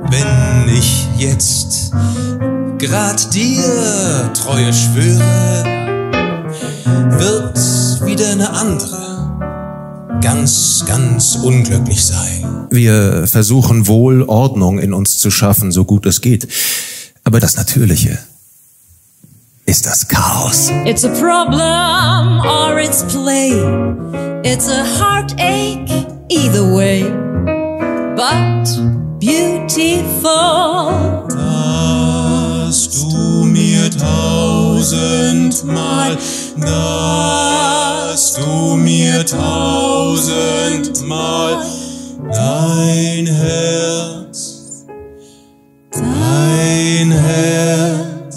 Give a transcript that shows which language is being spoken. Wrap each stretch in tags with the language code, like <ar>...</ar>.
<de>Wenn ich jetzt grad dir Treue schwöre, wird's wieder eine andere. Ganz, ganz unglücklich sein. Wir versuchen wohl, Ordnung in uns zu schaffen, so gut es geht. Aber das Natürliche ist das Chaos.</de> <en>It's a problem or it's play. It's a heartache either way. But beautiful.</en> <de>Dass du mir tausendmal, dass du mir tausendmal dein Herz, dein Herz.</de>